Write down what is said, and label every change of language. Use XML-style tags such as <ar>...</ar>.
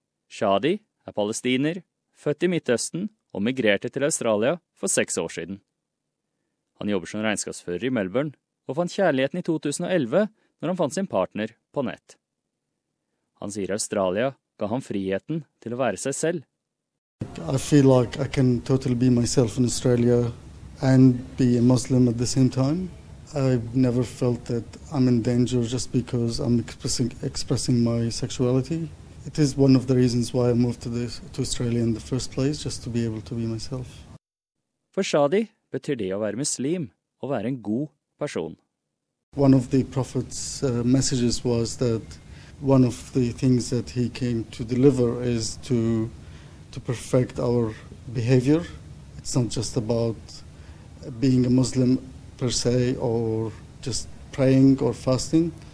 <no>Shadi palestiner, født i Midtøsten og migrerte til Australia for 6 år siden. Han jobber som regnskapsfører i Melbourne og fant kjærligheten i 2011 når han fant sin partner på nett. Han sier Australia ga han friheten til å være seg selv.</no> <en>I feel like I can totally be myself in Australia and be a Muslim at the same time. I've never felt that I'm in danger just because I'm expressing my sexuality. It is one of the reasons why I moved to Australia in the first place, just to be able to be myself.</en> <no>For Shadi betyr det å være muslim og være en god person.</no> <en>One of the prophet's messages was that one of the things that he came to deliver is to perfect our behavior. It's not just about being a Muslim per se or just praying or fasting.</en>